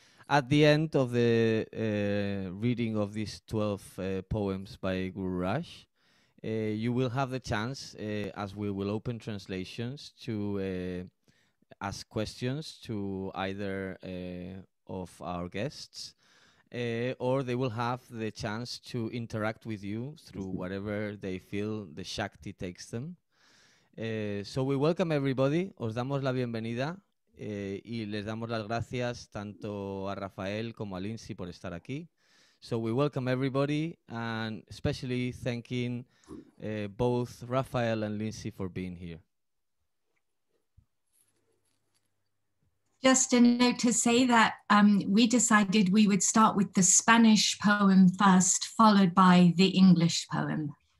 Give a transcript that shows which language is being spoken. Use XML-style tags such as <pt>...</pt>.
<en>At the end of the reading of these 12 poems by Guru Raj, you will have the chance, as we will open translations, to ask questions to either of our guests, or they will have the chance to interact with you through whatever they feel the Shakti takes them. So we welcome everybody,</en> <es>os damos la bienvenida y les damos las gracias tanto a Rafael como a Lindsay por estar aquí.</es> <en>So we welcome everybody and especially thanking both Rafael and Lindsay for being here. Just a note to say that we decided we would start with the Spanish poem first, followed by the English poem.</en>